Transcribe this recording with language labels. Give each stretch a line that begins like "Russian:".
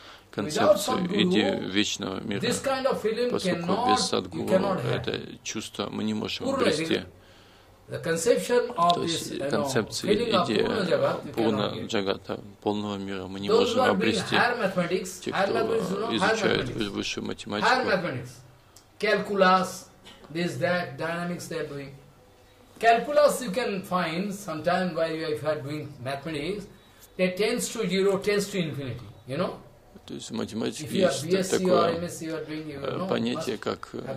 Russian: концепцию, идею вечного мира, поскольку без садгуру это чувство мы не можем обрести. То есть концепция, идея полного мира мы не можем обрести. Те, кто изучают высшую математику,
English: calculus, this, that, dynamics they are doing. Calculus you can find sometime while you are doing mathematics, that tends to zero, tends to infinity, you know?
Russian: То есть в математике есть такое понятие, как